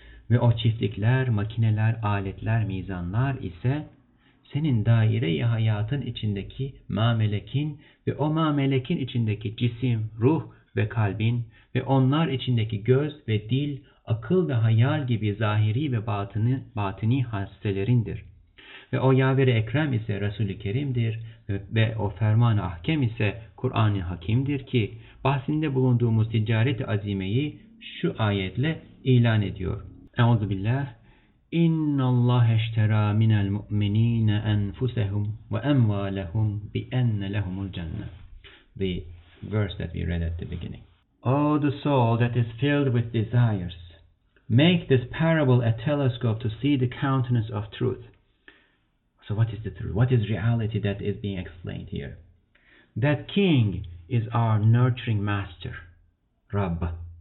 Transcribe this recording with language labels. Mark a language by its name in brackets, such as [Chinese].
[Turkish] Ve o çiftlikler, makineler, aletler, mizanlar ise senin daire-i hayatın içindeki mamelekin ve o mamelekin içindeki cisim, ruh ve kalbin ve onlar içindeki göz ve dil, akıl ve hayal gibi zahiri ve batini hasselerindir. Ve o yaver-i ekrem ise Resul-i Kerim'dir ve o ferman-ı ahkem ise Kur'an-ı Hakim'dir ki bahsinde bulunduğumuz ticaret-i azimeyi şu ayetle ilan ediyor. Euzu billah. [Arabic] اِنَّ اللّٰهَ اشْتَرَى مِنَ الْمُؤْمِن۪ينَ اَنْفُسَهُمْ وَاَمْوَالَهُمْ بِاَنَّ لَهُمُ الْجَنَّةِ [English] The verse that we read at the beginning. Oh, the soul that is filled with desires, make this parable a telescope to see the countenance of truth. So what is the truth? What is reality that is being explained here? That king is our nurturing master, Rabb.